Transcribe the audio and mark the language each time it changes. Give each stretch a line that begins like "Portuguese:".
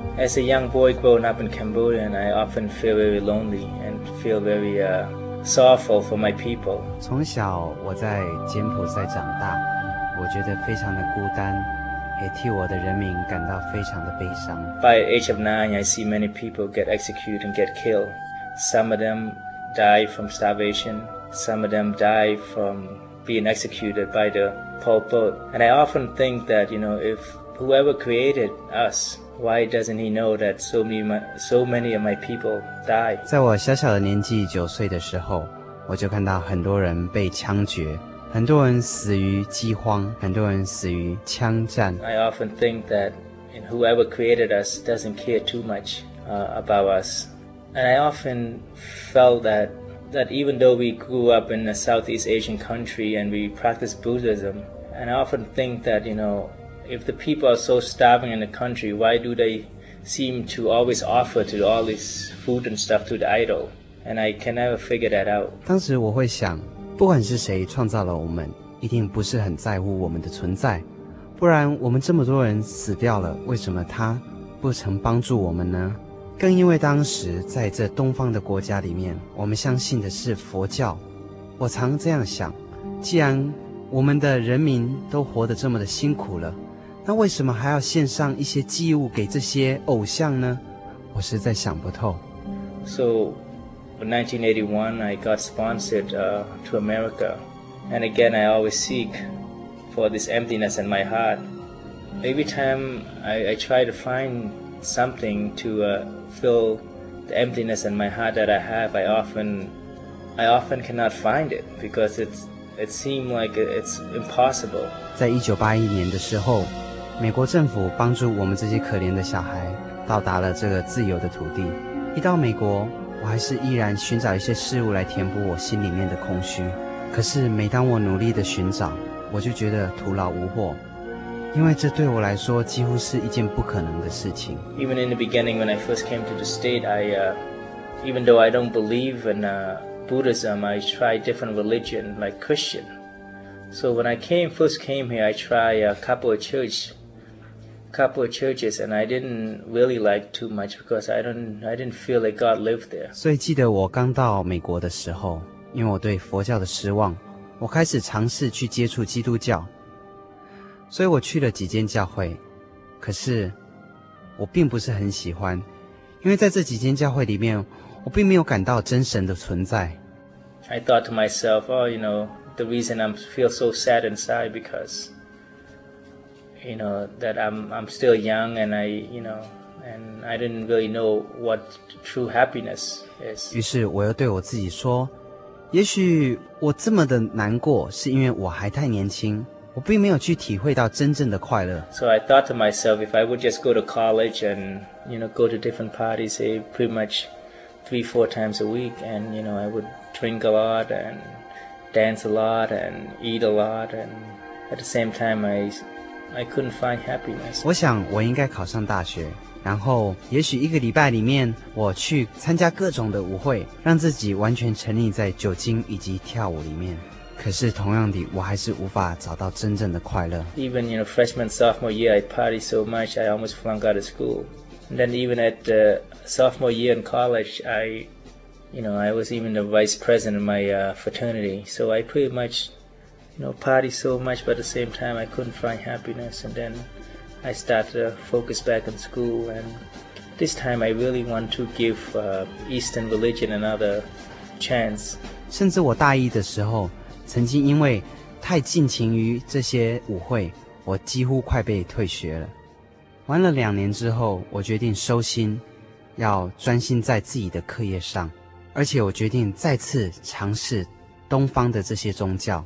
English: As a young boy growing up in Cambodia, and I often feel very lonely and feel very sorrowful for my people.
Chinese: 从小我在柬埔寨长大，我觉得非常的孤单，也替我的人民感到非常的悲伤。
English: By the age of 9, I see many people get executed and get killed. Some of them die from starvation. Some of them die from being executed by the Pol Pot. And I often think that, you know, if whoever created us, why doesn't he know that so many of my people die?
Chinese: 在我小小的年纪九岁的时候，我就看到很多人被枪决。很多人死于饥荒，很多人死于枪战。
English: I often think that whoever created us doesn't care too much about us. And I often felt that even though we grew up in a Southeast Asian country and we practice Buddhism, and I often think that, you know, if the people are so starving in the country, why do they seem to always offer to all this food and stuff to the idol? And I can never figure that out.
Chinese: 当时我会想，不管是谁创造了我们，一定不是很在乎我们的存在，不然我们这么多人死掉了，为什么他不曾帮助我们呢？更因为当时在这东方的国家里面，我们相信的是佛教，我常这样想，既然我们的人民都活得这么的辛苦了，那为什么还要献上一些祭物给这些偶像呢？我实在想不透。
English: So in 1981, I got sponsored to America. And again, I always seek for this emptiness in my heart. Every time I try to find something to fill the emptiness in my heart that I have, I often cannot find it because it seems like it's impossible.
Chinese: 在1981年的时候，美国政府帮助我们这些可怜的小孩到达了这个自由的土地。一到美国，我还是依然寻找一些事物来填补我心里面的空虚，可是每当我努力的寻找，我就觉得徒劳无获，因为这对我来说几乎是一件不可能的事情。
English: Even in the beginning when I first came to the state, even though I don't believe in Buddhism, I tried different religion like Christian. So when I first came here, I tried a couple of churches and I didn't really like too much because I didn't feel like God lived there.
Chinese: 所以记得我刚到美国的时候，因为我对佛教的失望，我开始尝试去接触基督教。所以我去了几间教会，可是我并不是很喜欢，因为在这几间教会里面，我并没有感到真神的存在。
English: I thought to myself, the reason I feel so sad inside becauseYou know, that I'm still young and I didn't really know what true happiness is.
Chinese: 于是我又对我自己说，也许我这么的难过是因为我还太年轻，我并没有去体会到真正的快乐。
English: So I thought to myself, if I would just go to college and, go to different parties, say, pretty much 3-4 times a week, and, I would drink a lot and dance a lot and eat a lot, and at the same time, I couldn't find happiness.
Chinese: 我想我应该考上大学，然后也许一个礼拜里面我去参加各种的舞会，让自己完全沉溺在酒精以及跳舞里面。可是同样的，我还是无法找到真正的快乐。
English: Even freshman sophomore year, I party so much I almost flunk out of school. And then even at the sophomore year in college, I was even the vice president of my fraternity. So I pretty much. Party so much, but at the same time, I couldn't find happiness. And then I started to focus back on school. And this time, I really want to give Eastern religion another chance.
Chinese: 甚至我大一的时候，曾经因为太尽情于这些舞会，我几乎快被退学了。玩了两年之后，我决定收心，要专心在自己的课业上，而且我决定再次尝试东方的这些宗教。